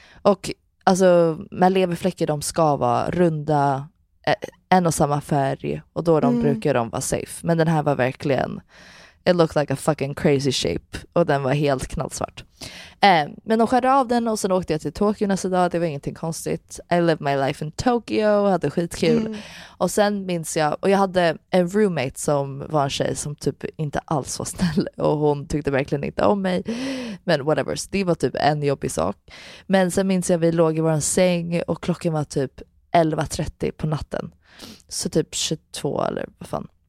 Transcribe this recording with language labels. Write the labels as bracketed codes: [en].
[sv] Och alltså, med leverfläckor, de ska vara runda, en och samma färg, och då de brukar de vara safe. Men den här var verkligen, [en] it looked like a fucking crazy shape, [sv] och den var helt knallsvart. Men de skärde av den och sen åkte jag till Tokyo nästa dag. Det var ingenting konstigt. [en] I lived my life in Tokyo, [sv] hade skitkul. Och sen minns jag, och jag hade en roommate som var en tjej som typ inte alls var snäll, och hon tyckte verkligen inte om mig, men whatever, så det var typ en jobbig sak. Men sen minns jag, vi låg i våran säng och klockan var typ 11:30 på natten, så typ 22 eller vad fan.